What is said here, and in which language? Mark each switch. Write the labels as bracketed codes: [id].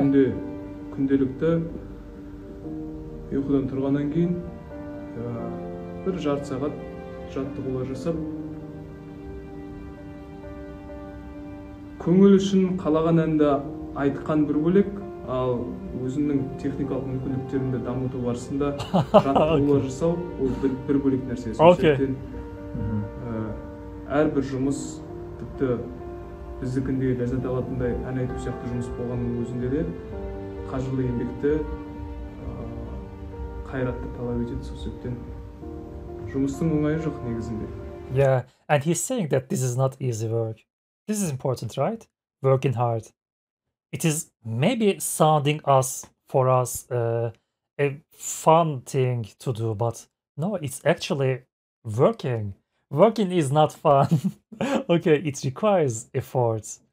[kk] Күнде күнделікті ұйқыдан тұрғаннан кейін бір жарты сағат жаттығулар жасап, көңіл үшін қалаған әнді айтқан бір бөлек, ал өзіңнің техникалық мүмкіндіктеріңді дамыту барысында жаттығулар жасау ол бір бөлек нәрсе. Сондықтан әрбір жұмыс, тіпті біздікіндей ләззат алатындай ән айту сияқты жұмыс болғанның өзінде де қажырлы еңбекті [ky] кайратты талап этет сол сөптөн. Жумуштун оңой жок негизинде. [en] Yeah, and he's saying that this is not easy work. This is important, right? Working hard. It is maybe sounding us for us a fun thing to do, but no, it's actually working. Working is not fun. Okay, it requires effort.